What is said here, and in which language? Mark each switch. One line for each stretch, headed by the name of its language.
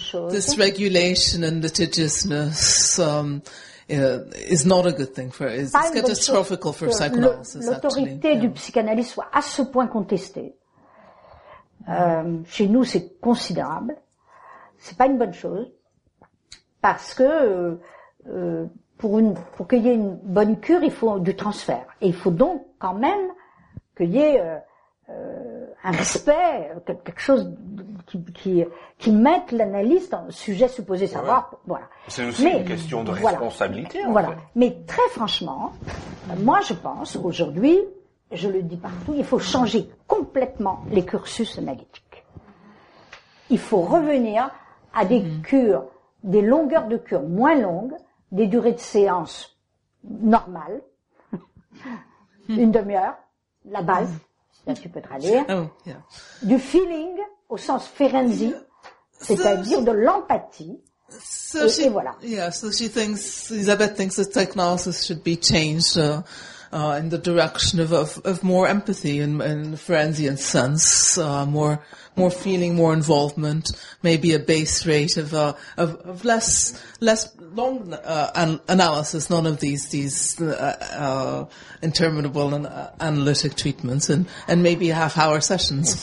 English: This regulation and litigiousness is not a good thing for it. It's catastrophical for psychoanalysis, actually.
French: L'autorité du psychanalyste soit à ce point contestée. Chez nous, c'est considérable. C'est pas une bonne chose. Parce que pour qu'il y ait une bonne cure, il faut du transfert. Et il faut donc quand même qu'il y ait un respect, quelque chose qui mette l'analyste en sujet supposé savoir. Ouais. Voilà. C'est aussi une question de responsabilité. Voilà. Mais très franchement, moi je pense aujourd'hui, je le dis partout, il faut changer complètement les cursus analytiques. Il faut revenir à des cures, des longueurs de cure moins longues, des durées de séance normales, une demi-heure, la base, là tu peux traduire, du feeling au sens Ferenczi, c'est-à-dire de l'empathie, et voilà.
English: Yeah, so she thinks, Elisabeth thinks that psychoanalysis should be changed in the direction of more empathy in a Ferenczian sense, more feeling, more involvement, maybe a base rate of less long analysis, none of these interminable and analytic treatments, and maybe half-hour sessions.